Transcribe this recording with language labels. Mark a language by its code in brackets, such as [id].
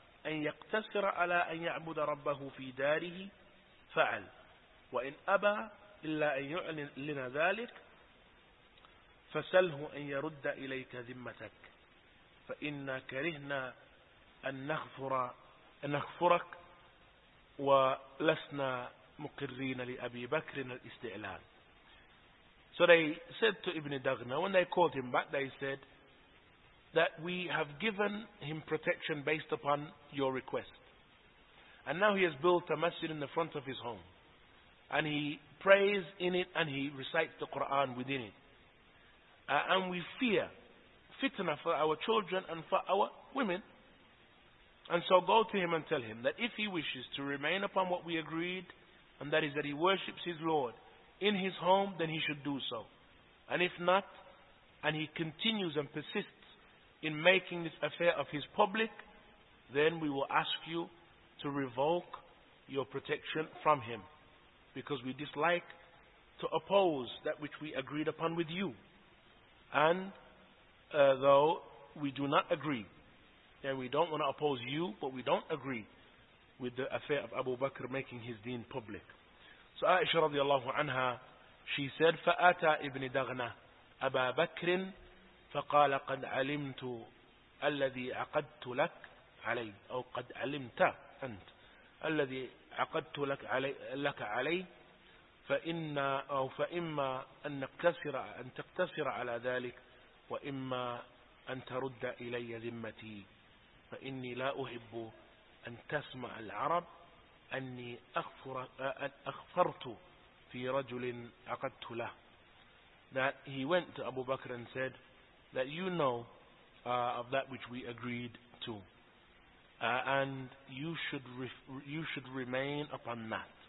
[ar] أن يقتصر على أن يعبد ربه في داره فعل، وإن أبى إلا أن يعلن لنا ذلك فسله أن يرد إليك ذمتك، فإنا كرهنا أن نغفرك ولسنا مقرين لأبي بكر الاستعلان. [en] So they said to Ibn Daghna, when they called him back, they said that we have given him protection based upon your request. And now he has built a masjid in the front of his home. And he prays in it and he recites the Quran within it. And we fear fitna for our children and for our women. And so go to him and tell him that if he wishes to remain upon what we agreed, and that is that he worships his Lord in his home, then he should do so. And if not, and he continues and persists in making this affair of his public, then we will ask you to revoke your protection from him, because we dislike to oppose that which we agreed upon with you. And though we do not agree, and we don't want to oppose you, but we don't agree with the affair of Abu Bakr making his deen public. So Aisha radiallahu anha, she said, [ar] فَآتَى إِبْنِ دَغْنَى أَبَا بَكْرٍ فَقَالَ قَدْ عَلِمْتُ أَلَّذِي عَقَدْتُ لَكْ عَلَيْهِ أو قَدْ عَلِمْتَ أَنْتَ الَّذِي عَقَدْتُ لَكَ عَلَيْهِ فَإِمَّا أَنْ تَقْتَصِرَ عَلَى ذَلِكَ وَإِمَّا أَنْ تَرُدَّ إِلَيَّ ذِمَّتِي فَإِنِّي لَا أُحِبُّ أَنْ تَسْمَعَ الْعَرَبُ أني أخفرت في رجل عقدت له. [en] That he went to Abu Bakr and said that you know of that which we agreed to, and you should remain upon that.